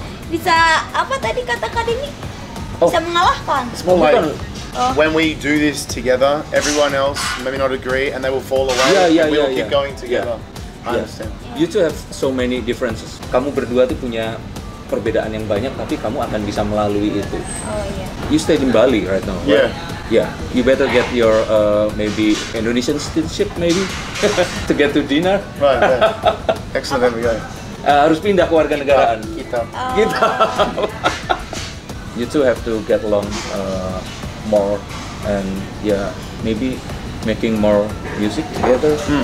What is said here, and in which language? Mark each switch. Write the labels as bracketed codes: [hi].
[id] bisa apa tadi katakan ini? Bisa mengalahkan. [en] When we do this together, everyone else maybe not agree and they will fall away. We'll keep going together. I understand. You two have so many differences. [id] Kamu berdua tuh punya perbedaan yang banyak, tapi kamu akan bisa melalui itu. [en] You stay in Bali right now, right? Yeah. You better get your maybe Indonesian citizenship maybe to get to dinner. Right. Excellent, there we go. [id] Harus pindah ke warga negaraan. Kita. [en] You two have to get along more and maybe making more music together.